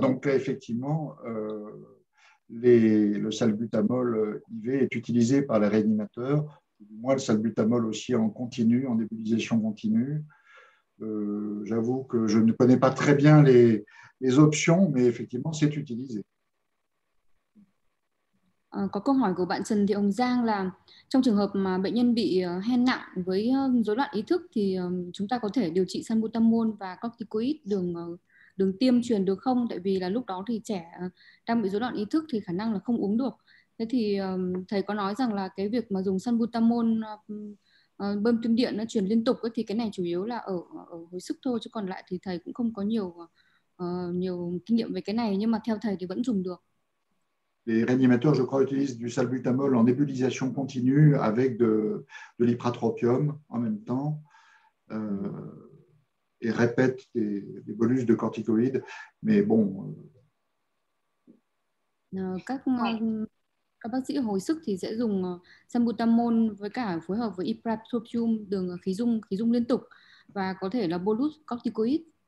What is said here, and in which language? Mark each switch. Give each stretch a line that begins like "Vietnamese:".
French: Donc, effectivement, le salbutamol IV est utilisé par les réanimateurs, du moins le salbutamol aussi en continu, en nébulisation continue. J'avoue que je ne connais pas très bien les options, mais effectivement, c'est utilisé.
Vietnamese: Có câu hỏi của bạn Trần Thị Hồng Giang là trong trường hợp mà bệnh nhân bị hen nặng với rối loạn ý thức thì chúng ta có thể điều trị salbutamol và corticoid đường đường tiêm truyền được không? Tại vì là lúc đó thì trẻ đang bị rối loạn ý thức thì khả năng là không uống được. Thế thì thầy có nói rằng là cái việc mà dùng salbutamol bơm tiêm điện nó truyền liên tục ấy, thì cái này chủ yếu là ở ở hồi sức thôi, chứ còn lại thì thầy cũng không có nhiều nhiều kinh nghiệm về cái này, nhưng mà theo thầy thì vẫn dùng được.
French: Les réanimateurs, je crois, utilisent du salbutamol en nébulisation continue avec de l'ipratropium en même temps. et répète des bolus de corticoïdes. Mais bon.
Vietnamese: Các bác sĩ hồi sức thì sẽ dùng salbutamol với cả phối hợp với ipratropium, đường khí dung liên tục, và có thể là bolus corticoid.